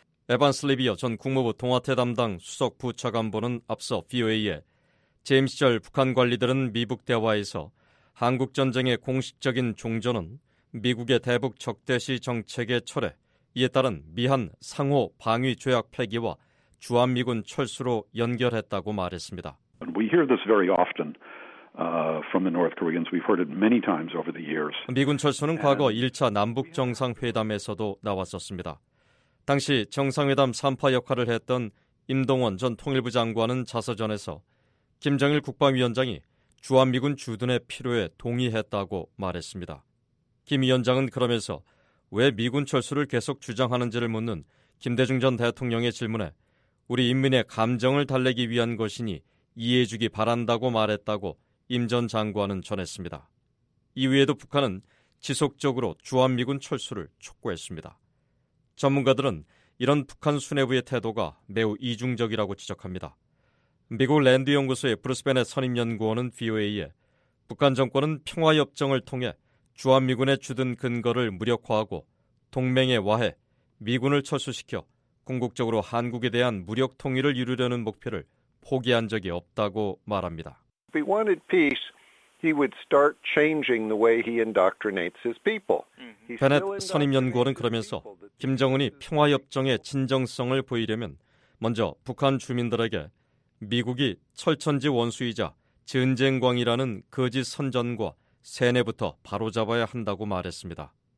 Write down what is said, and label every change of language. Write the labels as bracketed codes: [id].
[ko] 에반스 리비어 전 국무부 동아태 담당 수석 부차관보는 앞서 VOA에 재임 시절 북한 관리들은 미북 대화에서 한국전쟁의 공식적인 종전은 미국의 대북 적대시 정책의 철회, 이에 따른 미한 상호 방위 조약 폐기와 주한미군 철수로 연결했다고 말했습니다. [en] We hear this very often from the North Koreans. We've heard it many times over the years. [ko] 미군 철수는 과거 1차 남북 정상회담에서도 나왔었습니다. 당시 정상회담 3파 역할을 했던 임동원 전 통일부 장관은 자서전에서 김정일 국방위원장이 주한미군 주둔의 필요에 동의했다고 말했습니다. 김 위원장은 그러면서 왜 미군 철수를 계속 주장하는지를 묻는 김대중 전 대통령의 질문에 우리 인민의 감정을 달래기 위한 것이니 이해해 주기 바란다고 말했다고 임 전 장관은 전했습니다. 이후에도 북한은 지속적으로 주한미군 철수를 촉구했습니다. 전문가들은 이런 북한 수뇌부의 태도가 매우 이중적이라고 지적합니다. 미국 랜드 연구소의 브루스 베넷 선임 연구원은 VOA에 북한 정권은 평화 협정을 통해 주한미군의 주둔 근거를 무력화하고 동맹의 와해, 미군을 철수시켜 궁극적으로 한국에 대한 무력 통일을 이루려는 목표를 포기한 적이 없다고 말합니다. [en] If he wanted peace, he would start changing the way he indoctrinates his people. [ko] 베넷 선임 연구원은 그러면서 김정은이 평화 협정의 진정성을 보이려면 먼저 북한 주민들에게 미국이 철천지 원수이자 전쟁광이라는 거짓 선전과 세뇌부터 바로잡아야 한다고 말했습니다.